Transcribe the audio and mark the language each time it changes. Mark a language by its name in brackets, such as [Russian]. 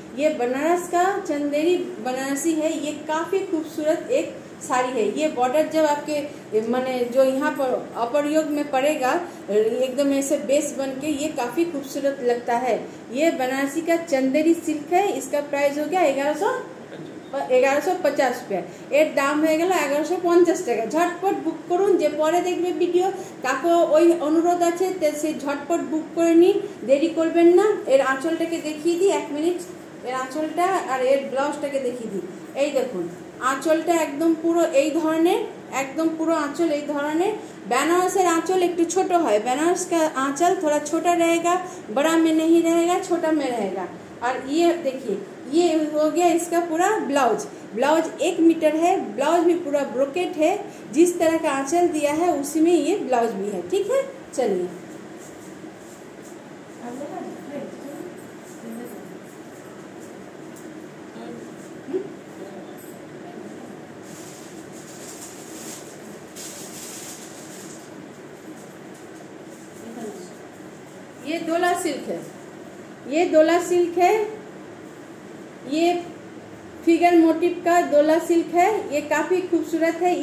[Hindi] ये बनारस का चंदेरी बनारसी है, ये काफी खूबसूरत एक साड़ी है। ये बॉर्डर जब आपके माने जो यहाँ पर अपरयोग में पड़ेगा एकदम ऐसे बेस बन के, ये काफी खूबसूरत लगता है। ये बनारसी का चंदेरी सिल्क है, इसका प्राइस हो गया 1150 रुपया। [Bangla] এর দাম হয়ে গেল 1150 টাকা। ঝটপট বুক করুন, যে পরে দেখবে ভিডিও তাকে ওই অনুরোধ আছে, সে ঝটপট বুক করে নিন, দেরি করবেন না। এর আঁচলটাকে দেখিয়ে দিই এক মিনিট, এর আঁচলটা আর এর ব্লাউজটাকে দেখিয়ে দিই। এই দেখুন আঁচলটা একদম পুরো এই ধরনের, একদম পুরো আঁচল এই ধরনের। বেনারসের আঁচল একটু ছোট হয়, [Hindi] বেনারস কা আঁচল থোড়া ছোটা রয়েগা, বড়া মে নেই রয়েগা, ছোটা মে রয়েগা। আর ইয়ে দেখিয়ে, ये हो गया इसका पूरा ब्लाउज, ब्लाउज 1 मीटर है, ब्लाउज भी पूरा ब्रोकेट है, जिस तरह का आंचल दिया है उसी में ये ब्लाउज भी है। ठीक है, चलिए ये दोला सिल्क है, ये दोला सिल्क है, ये फिगर मोटिव का दोला सिल्क है, ये काफी खूबसूरत है।